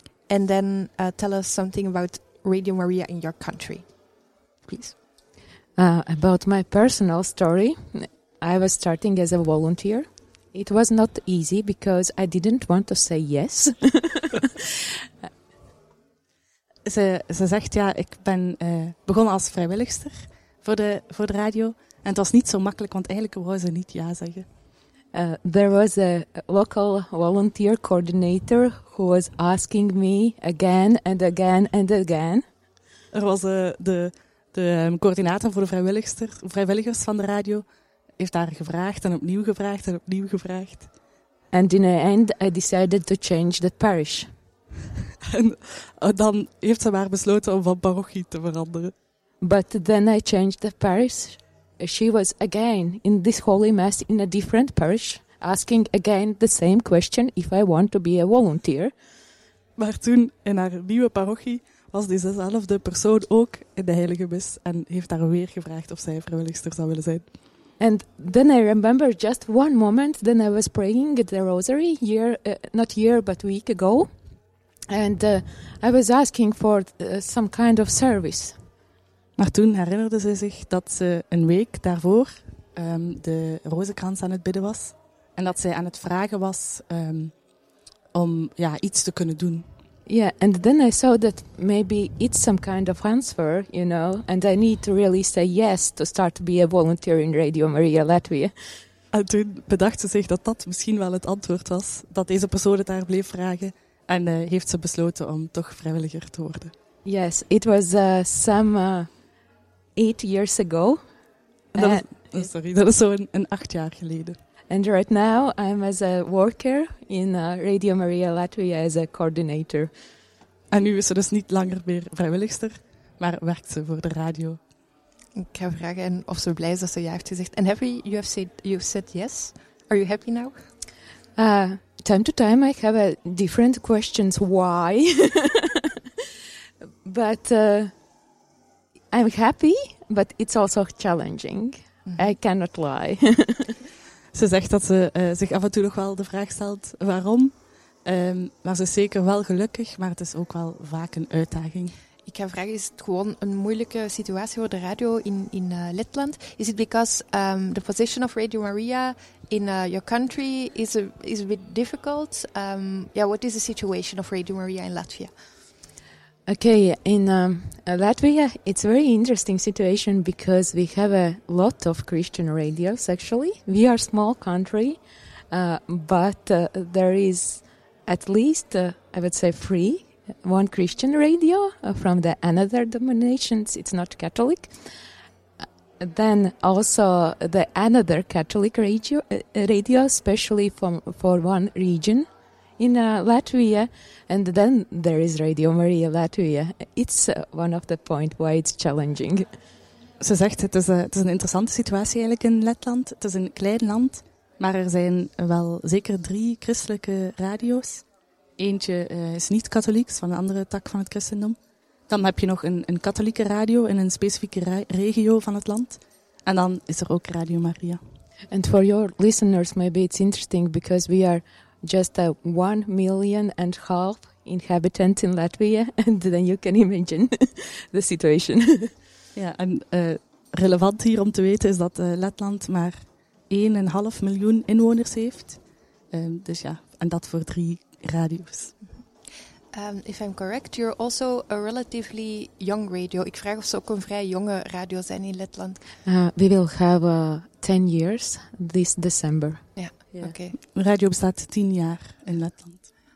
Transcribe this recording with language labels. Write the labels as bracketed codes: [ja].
[en] And then tell us something about Radio Maria in your country, please. About my personal story, I was starting as a volunteer. It was not easy because I didn't want to say yes. [nl] Ze zegt, ja, ik ben begonnen als vrijwilligster voor de radio. En het was niet zo makkelijk, want eigenlijk wou ze niet ja zeggen. [en] There was a local volunteer coordinator who was asking me again and again and again. [nl] Er was de coördinator voor de vrijwilligers van de radio. Heeft haar gevraagd en opnieuw gevraagd en opnieuw gevraagd. [en] And in the end I decided to change the parish. [nl] En dan heeft ze maar besloten om van parochie te veranderen. [en] But then I changed the parish. She was again in this holy mass in a different parish, asking again the same question if I want to be a volunteer. [nl] Maar toen in haar nieuwe parochie was dezezelfde persoon ook in de heilige mis en heeft haar weer gevraagd of zij vrijwilligster zou willen zijn. [en] And then I remember just one moment that I was praying the rosary week ago. And I was asking for some kind of service. [nl] Maar toen herinnerde ze zich dat ze een week daarvoor de rozenkrans aan het bidden was. En dat ze aan het vragen was om ja, iets te kunnen doen. [en] Yeah, and then I saw that maybe it's some kind of answer, you know. And I need to really say yes to start to be a volunteer in Radio Maria Latvia. [nl] En toen bedacht ze zich dat dat misschien wel het antwoord was. Dat deze persoon het haar bleef vragen. En heeft ze besloten om toch vrijwilliger te worden. [en] Yes, it was some 8 years ago. [nl] Dat is zo'n 8 jaar geleden. [en] And right now I'm as a worker in Radio Maria Latvia as a coordinator. [nl] En nu is ze dus niet langer meer vrijwilligster, maar werkt ze voor de radio. Ik ga vragen of ze blij is dat ze ja heeft gezegd. [en] And happy you have said yes. Are you happy now? Time to time I have a different questions why. But I'm happy, but it's also challenging. Mm-hmm. I cannot lie. [nl] Ze zegt dat ze zich af en toe nog wel de vraag stelt waarom. Maar ze is zeker wel gelukkig, maar het is ook wel vaak een uitdaging. Ik ga vragen, is het gewoon een moeilijke situatie voor de radio in Letland? [en] Is it because the position of Radio Maria in your country is a bit difficult? What is the situation of Radio Maria in Latvia? Okay, in Latvia it's a very interesting situation because we have a lot of Christian radios actually. We are a small country, but there is at least, I would say, three. One Christian radio from the another denominations, it's not Catholic. Then also the another Catholic radio, especially for one region in Latvia. And then there is Radio Maria Latvia. It's one of the points why it's challenging. [nl] Ze zegt, het is een interessante situatie eigenlijk in Letland. Het is een klein land, maar er zijn wel zeker drie christelijke radio's. Eentje is niet katholiek, is van een andere tak van het christendom. Dan heb je nog een katholieke radio in een specifieke regio van het land. En dan is er ook Radio Maria. [en] And for your listeners, maybe it's interesting because we are just 1.5 million inhabitants in Latvia. And then you can imagine the situation. [nl] Ja, en relevant hier om te weten is dat Letland maar 1.5 miljoen inwoners heeft. Dus ja, en dat voor drie radios. [en] If I'm correct, you're also a relatively young radio. [nl] Ik vraag of ze ook een vrij jonge radio zijn in Letland. [en] We will have 10 years this December. Ja, yeah. Yeah. Oké. Okay. [nl] Radio bestaat 10 jaar in Letland.